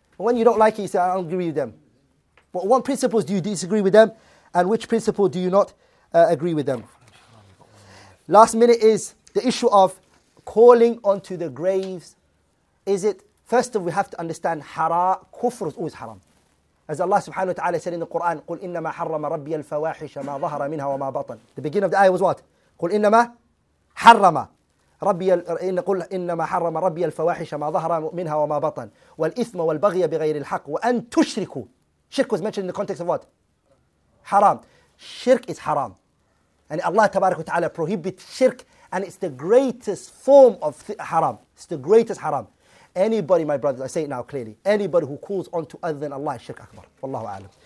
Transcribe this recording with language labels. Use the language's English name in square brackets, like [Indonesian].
[English] When you don't like it, you say, I don't agree with them. But what principles do you disagree with them? And which principle do you not agree with them? Last minute is the issue of calling onto the graves. Is it, first of all, we have to understand kufr is always haram. As Allah subhanahu wa ta'ala said in the Quran, [Arabic] قُلْ إِنَّمَا حَرَّمَ رَبِّيَ الْفَوَاحِشَ مَا ظَهَرَ مِنْهَا وَمَا بَطَنَ. [English] The beginning of the ayah was what? [Arabic] قُلْ إِنَّمَا حَرَّمَ قل إنما حرم ربي الفواحش ما ظهر منها وما بطن والإثم والبغي بغير الحق وأن تشركوا. [English] Shirk was mentioned in the context of what? Haram. Shirk is haram. And Allah tabarak wa ta'ala prohibits shirk, and it's the greatest form of haram. It's the greatest haram. Anybody, my brothers, I say it now clearly, anybody who calls on to other than Allah is shirk akbar. Wallahu a'lam.